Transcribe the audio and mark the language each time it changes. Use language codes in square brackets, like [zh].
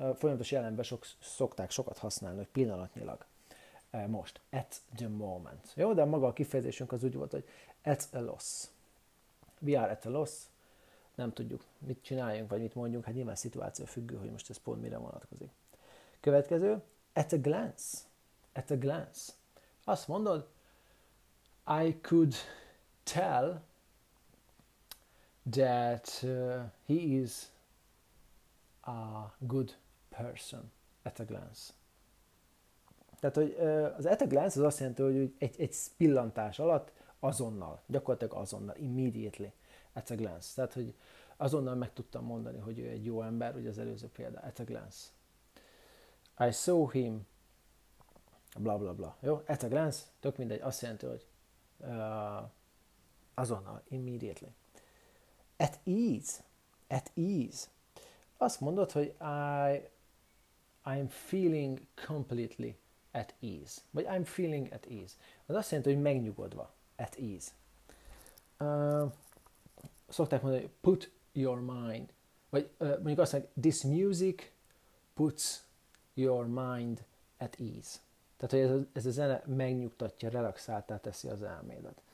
[hu] A folyamatos jelenben szokták sokat használni, hogy pillanatnyilag. Most. [en] At the moment. [hu] Jó, de maga a kifejezésünk az úgy volt, hogy [en] at a loss. We are at a loss. [hu] Nem tudjuk, mit csináljunk, vagy mit mondjunk. Hát nyilván szituáció függő, hogy most ez pont mire vonatkozik. Következő. [en] At a glance. At a glance. [hu] Azt mondod, [en] I could tell that he is a good person at a glance. [hu] Tehát, hogy az at a glance az azt jelenti, hogy egy pillantás alatt azonnal, gyakorlatilag azonnal, [en] immediately at a glance. [hu] Tehát, hogy azonnal meg tudtam mondani, hogy ő egy jó ember, ugye az előző példa, [en] at a glance. I saw him, [hu] bla bla bla. Jó, [en] at a glance, [hu] tök mindegy, azt jelenti, hogy azonnal, immediately. [en] At ease, [hu] azt mondod, hogy [en] I'm feeling completely at ease. Vagy I'm feeling at ease. [hu] Az azt jelenti, hogy megnyugodva, [en] at ease. [hu] Szokták mondani, hogy [en] put your mind, [hu] vagy mondjuk azt mondják, [en] this music puts your mind at ease. [hu] Tehát, hogy ez a zene megnyugtatja, relaxáltá teszi az elmédet.